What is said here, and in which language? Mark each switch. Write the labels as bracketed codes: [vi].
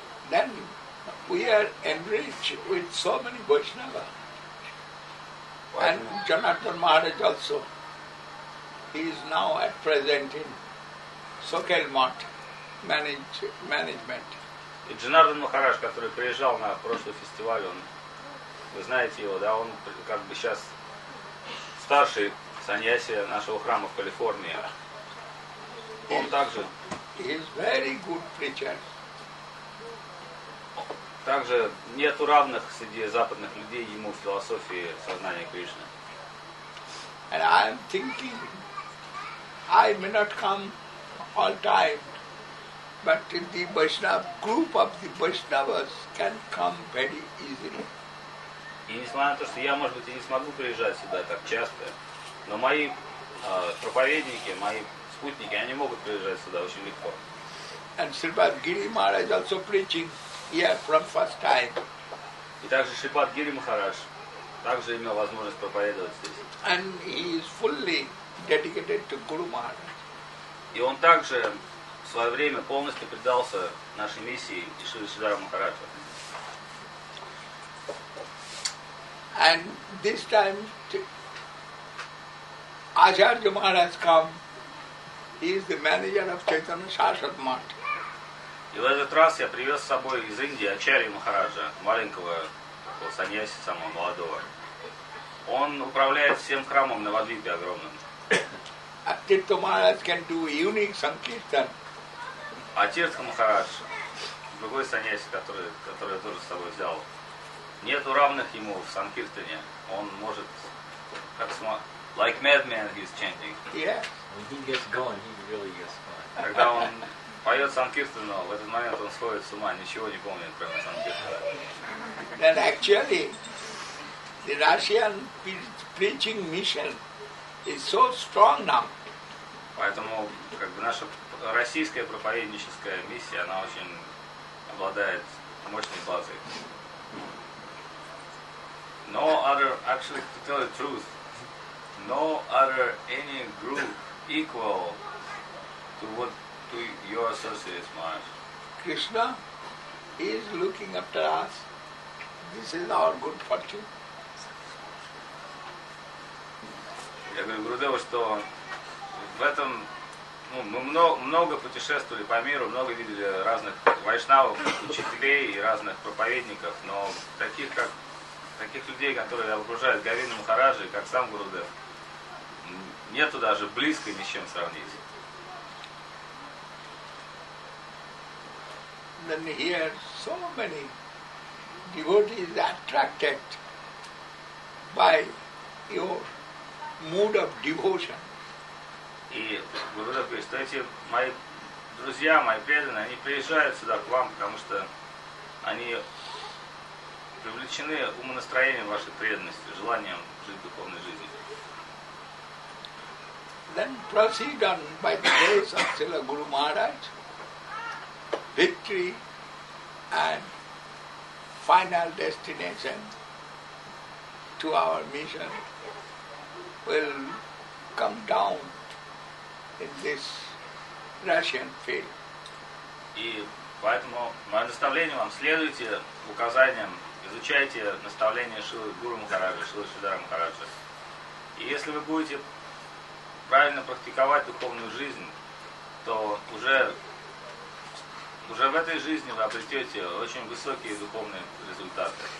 [en] Then we are enriched with so many Vaishnava. And Janardhan Maharaj also. He is now at present in Sokel Mott management. [ru] И Джанардан Махарадж, который приезжал на прошлый фестиваль, он, вы знаете его, да, он как бы сейчас старший саньяси нашего храма в Калифорнии. Он также [en] is very good preacher. [ru] Также нету равных среди западных людей ему в философии сознания Кришны. [en] And I am thinking, I may not come all time, but in the Vaishnava group of the Vaishnavas can come very easily. [ru] И несмотря на то, что я, может быть, и не смогу приезжать сюда так часто, но мои проповедники, мои спутники, они могут приезжать сюда очень легко. [en] And Sripad Giri Maharaj also preaching here from first time. [ru] И также Шрипад Гири Махарадж также имел возможность проповедовать здесь. [en] And he is fully dedicated to Guru Maharaj. [ru] И он также в свое время полностью предался нашей миссии Шри Сидхара Махараджа. [en] And this time Acharya Maharaj come. He is the manager of Chaitanya Saraswati Math. [ru] И в этот раз я привез с собой из Индии Ачарью Махараджа, маленького такого саньяси, самого молодого. Он управляет всем храмом на Вадвипе огромным. [en] Атирта Махарадж can do unique sankirtan. [ru] Атирта Махарадж, другой саньяси, который я тоже с собой взял. Нету равных ему в санкиртане. Он может, как [en] like madman he's chanting. Yeah. When he gets going, he really gets going. [ru] Когда он поет санкиртану, в этот момент он сходит с ума, ничего не помнит, кроме санкиртана. [en] Then actually, the Russian preaching mission is so strong now. [ru] Поэтому, как бы, наша российская проповедническая миссия, она очень обладает мощной базой. [en] No other, actually, to tell the truth, no other any group equal to what to your associates, Maharaj. Krishna is looking after us. This is our good fortune. [ru] Я говорю Гурудеву, что в этом, ну, мы много путешествовали по миру, много видели разных вайшнавов, учителей и разных проповедников, но таких, как таких людей, которые окружают Говинда Махараджа, как сам Гурудев, нету даже близко ни с чем сравнить. [en] Then here so many devotees are attracted by your mood of devotion. [ru] И Гурудев говорит, что эти мои друзья, мои преданные, они приезжают сюда к вам, потому что они привлечены умонастроением вашей преданности, желанием жить духовной жизнью. [en] Then proceed on by the grace of Srila Guru Maharaj, victory and final destination to our mission will come down in this Russian field. [ru] И поэтому мое наставление вам, следуйте указаниям, изучайте наставления Шилы Гуру Махараджа, Шилы Шридхара Махараджа. И если вы будете правильно практиковать духовную жизнь, то уже в этой жизни вы обретете очень высокие духовные результаты.